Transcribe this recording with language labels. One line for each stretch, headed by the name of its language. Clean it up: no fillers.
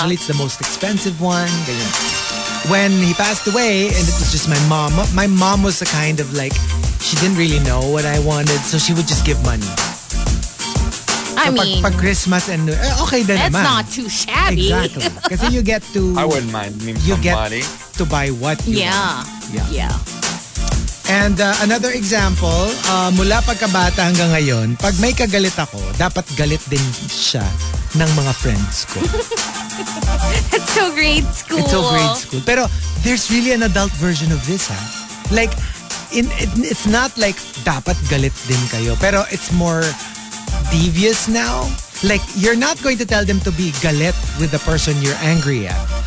English: Usually it's the most expensive one. When he passed away, and it was just my mom was the kind of like, she didn't really know what I wanted, so she would just give money. I mean, for Christmas and okay, then that's not too shabby. Exactly, because then you get to I wouldn't mind, you get money to buy what you want. Yeah, yeah. And another example,
Filipino: mula pagkabata hanggang ngayon, pag may kagalit ako, dapat galit din siya ng mga friends ko.
English: That's so grade school. It's so grade school. Pero there's really an adult version of this, huh? Like, it's not like
Filipino: dapat galit din kayo.
English: Pero it's more devious now. Like, you're not going to tell them to be galit with the person you're angry at.